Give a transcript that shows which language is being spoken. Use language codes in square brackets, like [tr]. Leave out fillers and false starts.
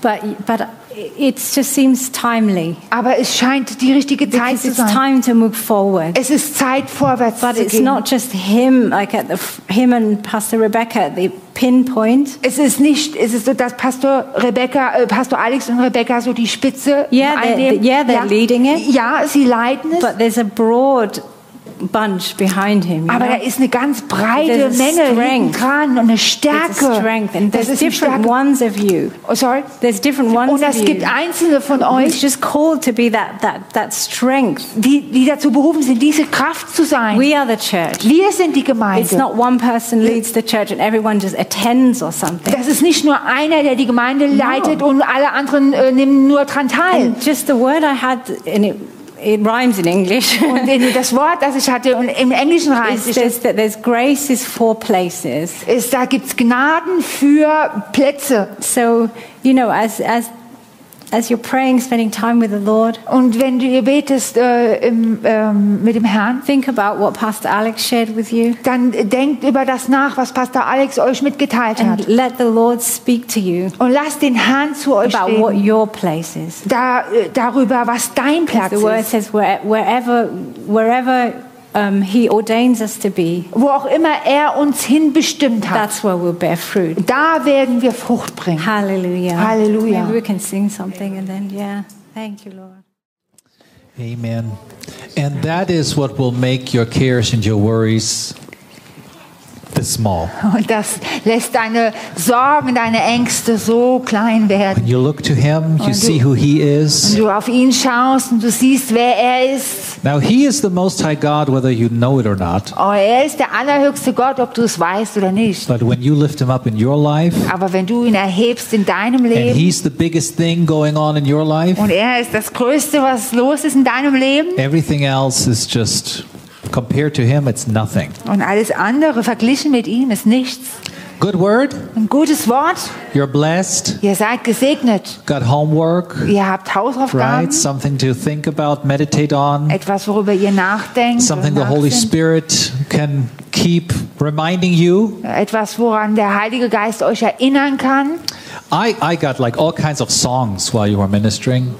[en] But it just seems timely. [de] Aber es scheint die richtige Zeit [en] because [de] zu sein. [en] It's time to move forward. [de] Es ist Zeit vorwärts [en] but [de] zu gehen. [en] But it's not just him, like at the him and Pastor Rebecca at the pinpoint. [de] Es ist nicht, es ist so, dass Pastor Alex und Rebecca so die Spitze. [en] Yeah, they're [de] ja, [en] leading it. [de] Ja, sie leiten es. [en] But there's a broad bunch behind him. [de] Aber [en] know? [de] Da ist eine ganz breite Menge dran und eine Stärke. [en] There's a strength and there's different Stärke. Ones of you. Oh, sorry? There's different ones of you. [de] Und es gibt einzelne von euch. [en] It's just called to be that strength. [de] Die dazu berufen sind, diese Kraft zu sein. [en] We are the church. [de] Wir sind die Gemeinde. [en] It's not one person leads the church and everyone just attends or something. [de] Das ist nicht nur einer, der die Gemeinde leitet und alle anderen nehmen nur dran teil. [en] And just the word I had in it. It rhymes in English. [de] Und das Wort, das ich hatte, und im Englischen reimt sich. [en] Is that there's grace is for places. [de] Ist da gibt's Gnaden für Plätze. [en] So, you know, as As you're praying, spending time with the Lord, [de] und wenn du ihr betest mit dem Herrn, [en] think about what Pastor Alex shared with you. [de] Dann denkt über das nach, was Pastor Alex euch mitgeteilt [en] and [de] hat. [en] And let the Lord speak to you. [de] Und lasst den Herrn zu euch [en] about [de] reden. [en] What your place is. [de] Darüber, was dein Platz ist. [en] The word [de] ist. [en] Says wherever he ordains us to be. [de] Wo auch immer er uns hinbestimmt hat. [en] That's where we'll bear fruit. [de] Da werden wir Frucht bringen. [en] Hallelujah. Hallelujah. Maybe we can sing something and then, yeah. Thank you, Lord. Amen. And that is what will make your cares and your worries this small. [de] Und das lässt deine Sorgen, deine Ängste so klein werden. [en] When you look to him, you see who he is. [de] Und du auf ihn schaust und du siehst, wer er ist. [en] Now he is the Most High God, whether you know it or not. [de] Oh, er ist der allerhöchste Gott, ob du es weißt oder nicht. [en] But when you lift him up in your life, [de] aber wenn du ihn erhebst in deinem Leben, [en] and he's the biggest thing going on in your life, [de] und er ist das Größte, was los ist in deinem Leben, [en] everything else is just compared to him, it's nothing. [de] Und alles andere verglichen mit ihm ist nichts. [en] Good word. [de] Ein gutes Wort. [en] You're blessed. [de] Ihr seid gesegnet. [en] Got homework. [de] Ihr habt Hausaufgaben. [en] Right, something to think about, meditate on. [de] Etwas, worüber ihr nachdenkt. [en] Something the Holy Spirit can keep reminding you. [de] Etwas, woran der Heilige Geist euch erinnern kann. [en] I got like all kinds of songs while you were ministering.